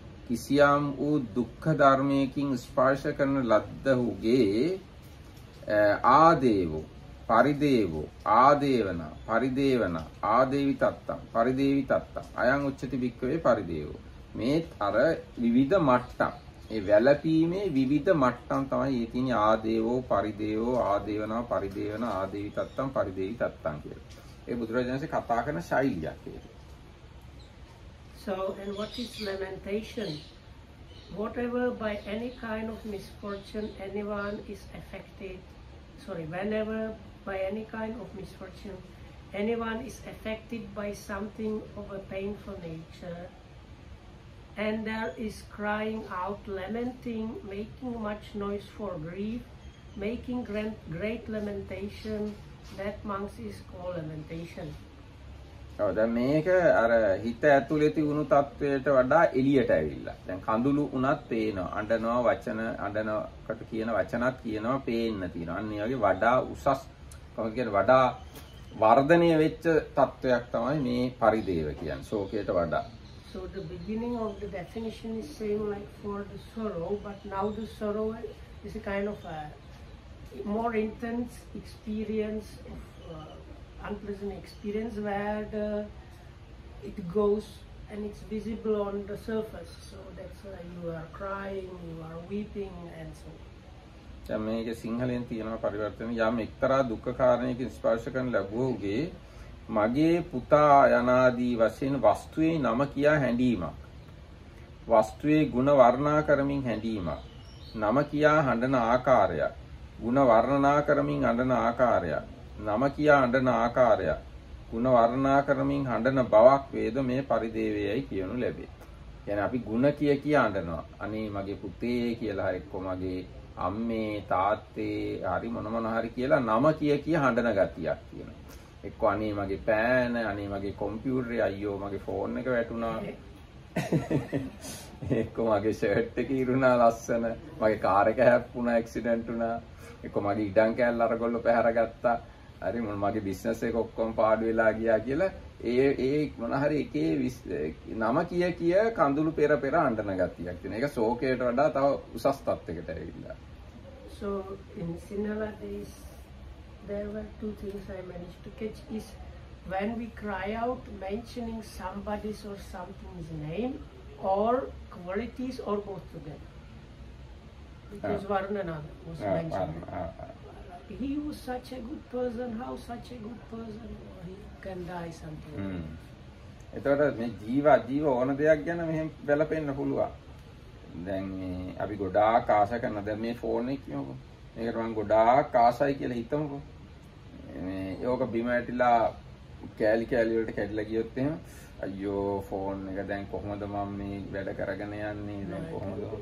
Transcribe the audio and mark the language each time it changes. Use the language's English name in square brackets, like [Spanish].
[Sinhala] කිසියම් වූ දුක්ඛ ධර්මයකින් ස්පර්ශ කරන ලද්දහුගේ [Pali] ආදේවෝ පරිදේවෝ ආදේවන පරිදේවන ආදේවි තත්තම් පරිදේවි තත්තම් අයං උච්චති වික්කවේ පරිදේවෝ [Sinhala] මේත් අර විවිධ මට්ටම් ඒ වැළපීමේ විවිධ මට්ටම් තමයි මේ තියෙන [Pali] ආදේවෝ පරිදේවෝ ආදේවන පරිදේවන ආදේවි තත්තම් පරිදේවි තත්තම් [Sinhala] කියලා ඒ බුදුරජාණන්සේ කතා කරන ශෛලියක් ඒක. [English] So and what is lamentation? Whatever by any kind of misfortune anyone is affected. Sorry, whenever by any kind of misfortune anyone is affected by something of a painful nature and there is crying out, lamenting, making much noise for grief, making great lamentation, that monks is called lamentation. [Sinhala] ඔව් දැන් මේක අර හිත ඇතුලේ තියුණු තත්වයට වඩා එළියට ඇවිල්ලා. දැන් කඳුළු වුණත් පේනවා. අඬනවා වචන අඬනකට කියන වචනත් කියනවා පේන්න තියෙනවා. අන්න ඒ වගේ වඩා උසස් කොහොමද කියන්නේ වඩා වර්ධනය වෙච්ච තත්වයක් තමයි මේ පරිදේව කියන්නේ. ශෝකයට වඩා. [English] So the beginning of the definition is saying like for the sorrow, but now the sorrow is a kind of a more intense experience of unpleasant experience where it goes and it's visible on the surface. So that's why you are crying, you are weeping and so on. [Sinhala] දැන් මේක සිංහලෙන් තියෙනවා පරිවර්තන යම් එක්තරා දුක්ඛ කාරණයකින් ස්පර්ශ කරන ලැබුවෝගේ මගේ පුතා යනාදී වශයෙන් වස්තුවේ නම කියා හැඳීමක් වස්තුවේ ගුණ වර්ණනා කරමින් හැඳීමක් නම කියා හඬන ආකාරයක් ගුණ වර්ණනා කරමින් අඬන ආකාරයක් නම කියා අඬන ආකාරයක් ගුණ වර්ණනා කරමින් හඬන බවක් වේද මේ පරිදේවයයි කියනු ලැබේ. කියන්නේ අපි ගුණ කිය කියා අඬනවා අනේ මගේ පුතේ කියලා එක්කෝ මගේ අම්මේ තාත්තේ හරි මොන මොන හරි කියලා නම කිය හඬන ගතියක් තියෙනවා. එක්කෝ අනේ මගේ පෑන අනේ මගේ කොම්පියුටරේ අයියෝ මගේ ෆෝන් එක වැටුණා එක්කෝ මගේ ෂර්ට් එක ඉරුණා ලස්සන මගේ කාර් එක හැප්පුණා ඇක්සිඩන්ට් වුණා එක්කෝ මගේ ඉඩම් කෑල්ල අරගොල්ලෝ පැහැරගත්තා හරි මොන මගේ බිස්නස් එක ඔක්කොම පාඩු වෙලා ගියා කියලා ඒ ඒ මොන හරි එකේ නම කිය කිය කඳුළු පෙර පෙර අඬන ගතියක් තියෙන. ඒක ශෝකයට වඩා තව උසස් තත්යකට ඇවිල්ලා. [English] So in Sinhala days, there were two things I managed to catch is when we cry out mentioning somebody's or something's name or qualities or both together. Because Varnana was mentioned. He was such a good person, how such a good person he can die something. [Sinhala] එතකොට මේ ජීව ඕන දෙයක් ගැන මෙහෙම වැළපෙන්න පුළුවන්. දැන් මේ අපි ගොඩාක් ආස කරන දැන් මේ ෆෝන් එක කියමුකෝ. මේකට මම ගොඩාක් ආසයි කියලා හිතමුකෝ. මේ යෝග බිම ඇටිලා කෑලි කෑලි වලට කැඩිලා ගියොත් එහෙම අයියෝ ෆෝන් එක දැන් කොහොමද මම මේ වැඩ කරගෙන යන්නේ දැන් කොහොමද?